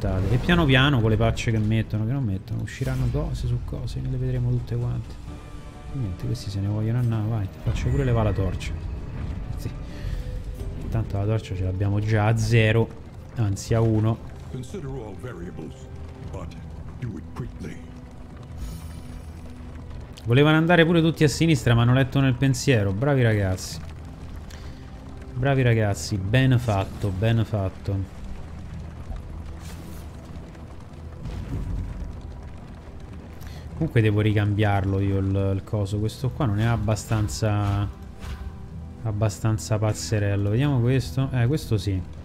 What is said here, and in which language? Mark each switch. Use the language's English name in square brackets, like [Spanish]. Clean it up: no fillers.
[Italian] E piano piano, con le patch che mettono, che non mettono, usciranno cose su cose. Ne le vedremo tutte quante. Niente, questi se ne vogliono andare. Vai, ti faccio pure levare la torcia. Sì. Intanto la torcia ce l'abbiamo già a 0. Anzi, a 1. [English] Considero all variables, but do it quickly. [Italian] Volevano andare pure tutti a sinistra, ma hanno letto nel pensiero. Bravi ragazzi. Bravi ragazzi. Ben fatto, ben fatto. Comunque devo ricambiarlo io il coso. Questo qua non è abbastanza pazzerello. Vediamo questo. Questo sì.